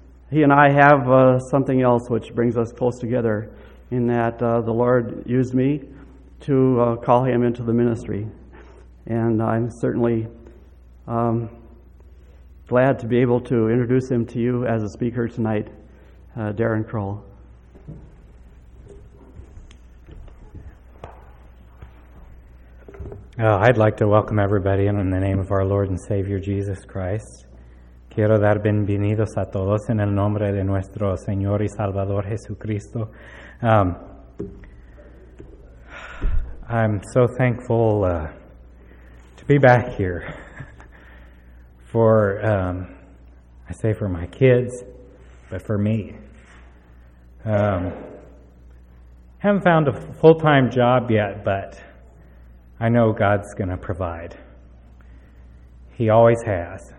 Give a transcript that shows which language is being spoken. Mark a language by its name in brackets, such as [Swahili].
[English] He and I have something else which brings us close together, in that the Lord used me to call him into the ministry, and I'm certainly glad to be able to introduce him to you as a speaker tonight, Darren Kroll. I'd like to welcome everybody in the name of our Lord and Savior, Jesus Christ. [Spanish] Quiero dar bienvenidos a todos en el nombre de nuestro Señor y Salvador Jesucristo. [English] I'm so thankful to be back here for my kids, but for me. Haven't found a full-time job yet, but I know God's going to provide. He always has.